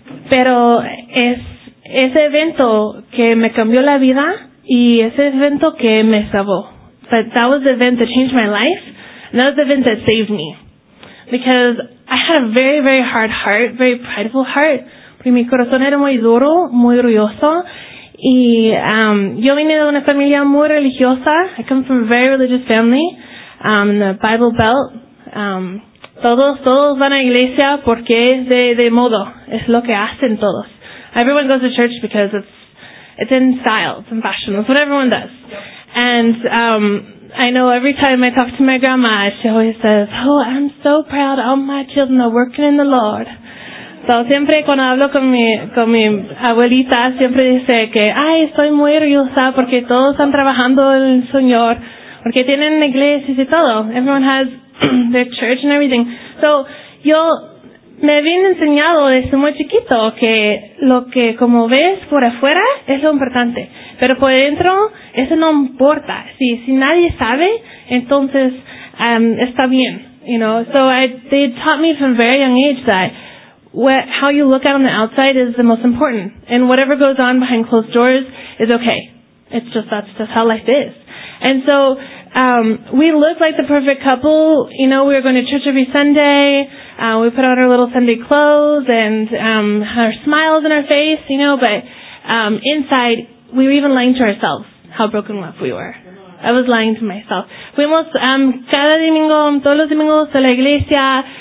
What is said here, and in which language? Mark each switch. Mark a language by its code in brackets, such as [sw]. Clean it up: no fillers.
[es] Pero es ese evento que me cambió la vida y ese evento que me salvó. [en] But that was the event that changed my life. And that was the event that saved me. Because I had a very, very hard heart, very prideful heart. [es] Y mi corazón era muy duro, muy orgulloso. Y yo vine de una familia muy religiosa. [en] I come from a very religious family, in the Bible Belt. [es] todos van a iglesia porque es de modo, es lo que hacen todos. [en] Everyone goes to church because it's in style, it's in fashion, it's what everyone does. And I know every time I talk to my grandma, she always says, "Oh, I'm so proud all my children are working in the Lord." [es] So siempre cuando hablo con mi abuelita, siempre dice que, "Ay, estoy muy orgullosa porque todos están trabajando en el Señor, porque tienen iglesias y todo. [en] Everyone has their church and everything." [es] So yo me viene enseñado desde muy chiquito que lo que como ves por afuera es lo importante, pero por dentro eso no importa. Si nadie sabe, entonces está bien, you know. [en] So they taught me from a very young age that how you look out on the outside is the most important, and whatever goes on behind closed doors is okay. It's just that's just how life is. And so we look like the perfect couple, you know. We're going to church every Sunday. We put on our little Sunday clothes and our smiles in our face, you know. But inside, we were even lying to ourselves how broken up we were. I was lying to myself. [es] Fuimos cada domingo, todos los domingos a la iglesia.